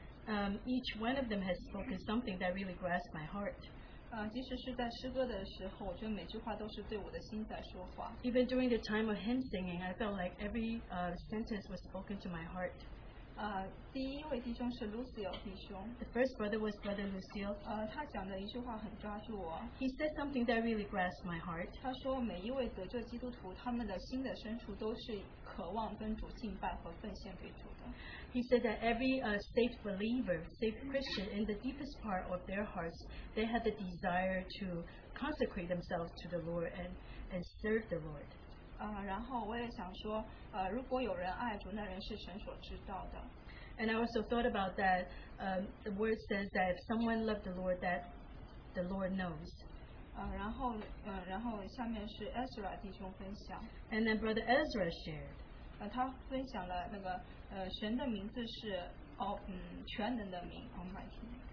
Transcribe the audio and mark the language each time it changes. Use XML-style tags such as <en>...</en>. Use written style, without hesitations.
<en>Each one of them has spoken something that really grasped my heart.</en> <zh>即使是在诗歌的时候，我觉得每句话都是对我的心在说话。</zh> <en>Even during the time of hymn singing, I felt like every sentence was spoken to my heart.</en> <zh>第一位弟兄是Lucio弟兄。</zh> <en>The first brother was Brother Lucio.</en> <zh>他讲的一句话很抓住我。</zh> <en>He said something that really grasped my heart.</en> <zh>他说每一位得救基督徒，他们的心的深处都是渴望跟主敬拜和奉献给主的。</zh> <en>He said that every saved believer, saved Christian, in the deepest part of their hearts, they had the desire to consecrate themselves to the Lord and serve the Lord.</en> <zh>然后我也想说，如果有人爱主，那人是神所知道的。</zh> <en>And I also thought about that. The word says that if someone loved the Lord, that the Lord knows.</en> <zh>然后下面是 Ezra 弟兄分享。</zh> <en>And then Brother Ezra shared.</en> <zh>他分享了那个神的名字是全能的名 Almighty.</zh>